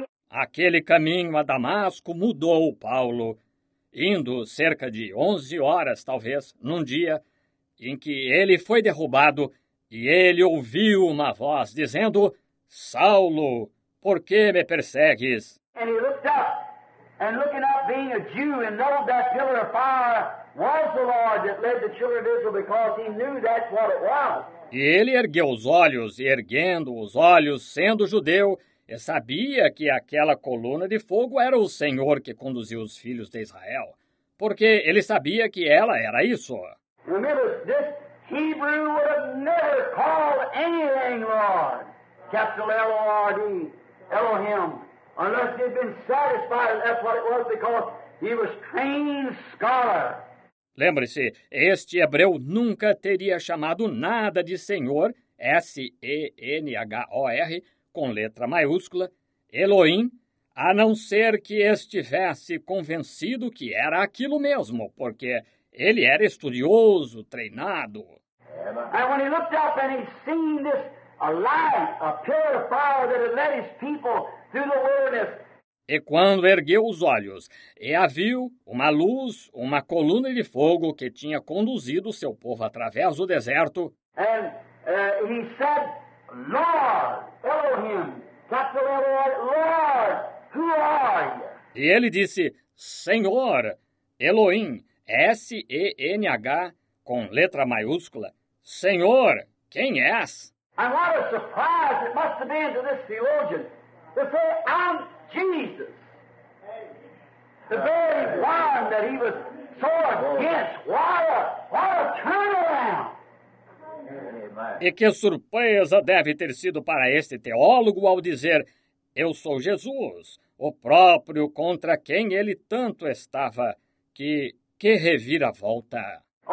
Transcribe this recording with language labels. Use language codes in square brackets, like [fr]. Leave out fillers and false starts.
[pt] Aquele caminho a Damasco mudou Paulo, indo cerca de 11 horas, talvez, num dia em que ele foi derrubado e ele ouviu uma voz dizendo, Saulo, por que me persegues? [en] And he looked up, and looking up, being a Jew, and knowing that pillar of fire was the Lord that led the children of Israel, because he knew that's what it was. [pt] E ele ergueu os olhos, e erguendo os olhos, sendo judeu, e sabia que aquela coluna de fogo era o Senhor que conduziu os filhos de Israel, porque ele sabia que ela era isso. [en] Remember, this Hebrew would have never called anything Lord, capital L-O-R-D, Elohim, unless he'd been satisfied that's what it was, because he was trained scholar. [pt] Lembre-se, este hebreu nunca teria chamado nada de Senhor, S-E-N-H-O-R, com letra maiúscula, Elohim, a não ser que estivesse convencido que era aquilo mesmo, porque ele era estudioso, treinado. [en] And when he looked up and he seen this a light, a pure fire that had led his people through the wilderness. [pt] E quando ergueu os olhos e a viu, uma luz, uma coluna de fogo que tinha conduzido seu povo através do deserto. [en] And he said, Lord, Elohim, capital Lord, Lord, who are you? [pt] E ele disse, Senhor, Elohim, S-E-N-H, com letra maiúscula, Senhor, quem és? [en] And what a surprise it must have been to this theologian to say, I'm Jesus. The very one that he was so against. What a turnaround. [pt] E que surpresa deve ter sido para este teólogo ao dizer, eu sou Jesus, o próprio contra quem ele tanto estava, que reviravolta.